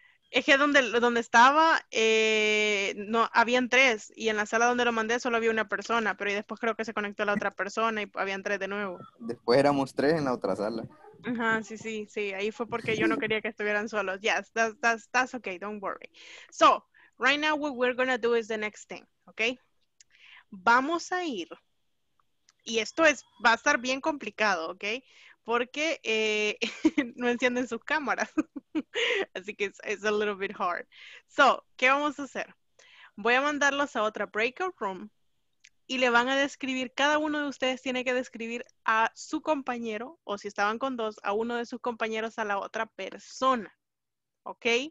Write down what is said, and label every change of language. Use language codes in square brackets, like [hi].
[es] Es que donde estaba, no, habían tres y en la sala donde lo mandé solo había una persona, pero y después creo que se conectó la otra persona y habían tres de nuevo. Después éramos tres en la otra sala. Ajá, sí, ahí fue porque yo no quería que estuvieran solos. [en] Yes, that's okay, don't worry. So, right now what we're gonna do is the next thing, okay? [es] Vamos a ir, y esto es, va a estar bien complicado, okay? Porque no encienden sus cámaras, así que [en] it's a little bit hard. [es] So, ¿qué vamos a hacer? Voy a mandarlos a otra breakout room, y le van a describir, cada uno de ustedes tiene que describir a su compañero, o si estaban con dos, a uno de sus compañeros, a la otra persona. ¿Ok?